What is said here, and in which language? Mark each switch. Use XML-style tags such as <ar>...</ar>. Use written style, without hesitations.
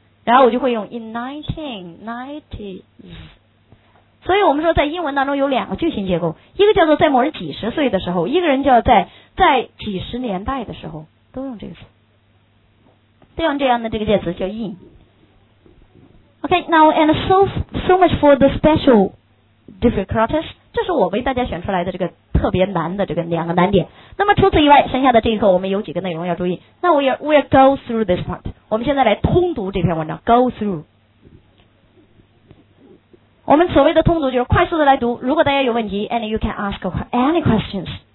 <zh>然后我就会用 in 1990s。所以我们说在英文当中有两个句型结构，一个叫做在某人几十岁的时候，一个人叫在几十年代的时候，都用这个词，都用这样的这个介词叫 in。</zh> <en>OK， now and so much for the special difficulties。</en> <zh>这是我为大家选出来的这个特别难的这个两个难点。那么除此以外，剩下的这一课我们有几个内容要注意。那</zh> <en>we'll go through this part。</en> <zh>我们现在来通读这篇文章， go through。我们所谓的通读就是快速的来读，如果大家有问题，</zh> <en>and you can ask any questions。</en>